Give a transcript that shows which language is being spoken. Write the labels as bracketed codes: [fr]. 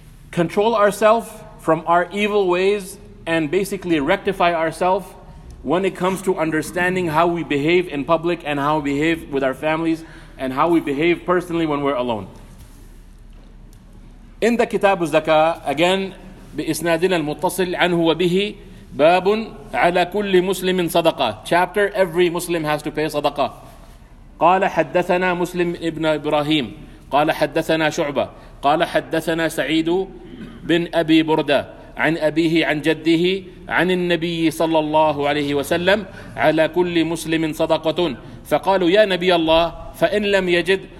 [en] Control ourselves from our evil ways and basically rectify ourselves when it comes to understanding how we behave in public and how we behave with our families and how we behave personally when we're alone. In the Kitab al-Zakah, again, [ar] بِإِسْنَادِنَا الْمُتَّصِلِ عَنْهُ وَبِهِ بَابٌ عَلَى كُلِّ مُسْلِمٍ صَدَقَةٌ. [en] Chapter, every Muslim has to pay sadaqah. [ar] قال حدثنا مسلم ابن إبراهيم قال حدثنا شعبة قال حدثنا سعيد بن أبي بردة عن أبيه عن جده عن النبي صلى الله عليه وسلم على كل مسلم صدقة فقالوا يا نبي الله فإن لم يجد